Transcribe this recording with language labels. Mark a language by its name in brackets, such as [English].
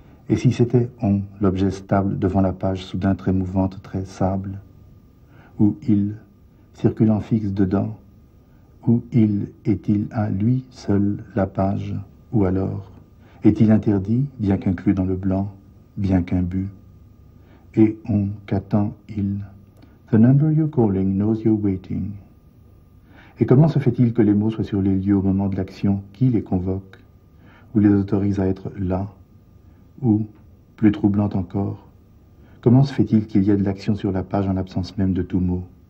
[French] Et si c'était on, l'objet stable devant la page, soudain très mouvante, très sable, ou il, circulant fixe dedans, ou il est-il à lui seul la page, ou alors est-il interdit, bien qu'inclus dans le blanc, bien qu'imbu? Et on, qu'attend-il? [English] The number you're calling knows you're waiting. [French] Et comment se fait-il que les mots soient sur les lieux au moment de l'action qui les convoque, ou les autorise à être là, ou, plus troublant encore, Comment se fait-il qu'il y ait de l'action sur la page en l'absence même de tout mot?